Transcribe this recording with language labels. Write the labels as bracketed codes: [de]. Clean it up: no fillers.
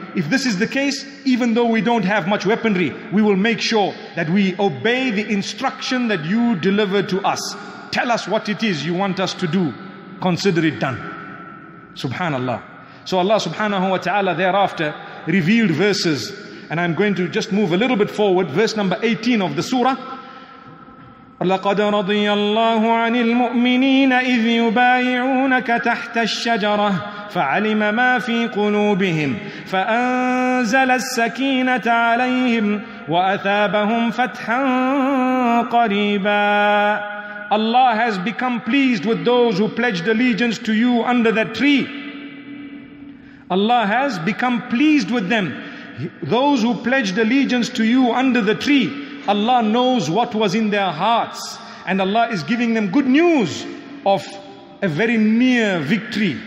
[en] If this is the case, even though we don't have much weaponry, we will make sure that we obey the instruction that you delivered to us. Tell us what it is you want us to do. Consider it done. Subhanallah. So Allah subhanahu wa ta'ala thereafter revealed verses, and I'm going to just move a little bit forward. Verse number 18 of the surah. [ar] لقد رضي الله عن المؤمنين إذ يبايعونك تحت الشجرة فعلم ما في قلوبهم فأنزل السكينة عليهم وأثابهم فتحا قريبا. [en] Allah has become pleased with those who pledged allegiance to you under that tree. Allah has become pleased with them. those who pledged allegiance to you under the tree, Allah knows what was in their hearts, and Allah is giving them good news of a very near victory.